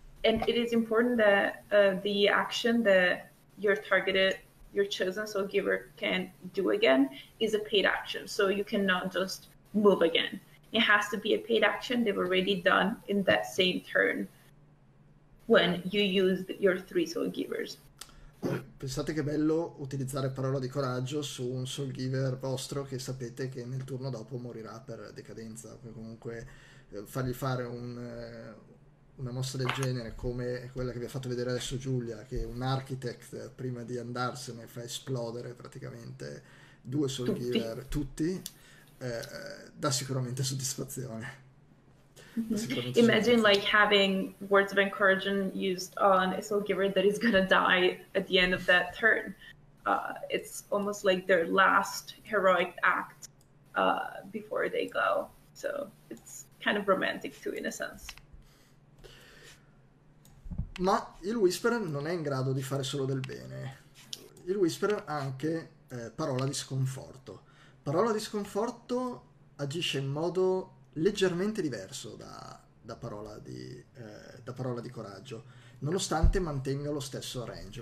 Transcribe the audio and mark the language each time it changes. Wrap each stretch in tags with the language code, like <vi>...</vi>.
<en>And it is important that the action that your chosen soul giver can do again is a paid action. So you cannot just move again. It has to be a paid action they've already done in that same turn when you use your three soul givers.</en> <it>Pensate che bello utilizzare parola di coraggio su un soul giver vostro che sapete che nel turno dopo morirà per decadenza. Comunque fargli fare una mossa del genere, come quella che vi ha fatto vedere adesso Giulia, che un Architect prima di andarsene fa esplodere praticamente due soul giver tutti, dà sicuramente soddisfazione.</it> <en>Imagine like having Words of Encouragement used on a soul giver that is gonna die at the end of that turn. It's almost like their last heroic act before they go. So it's kind of romantic too, in a sense.</en> <it>Ma il Whisperer non è in grado di fare solo del bene. Il Whisperer ha anche parola di sconforto. Parola di sconforto agisce in modo leggermente diverso da parola di coraggio, nonostante mantenga lo stesso range.</it>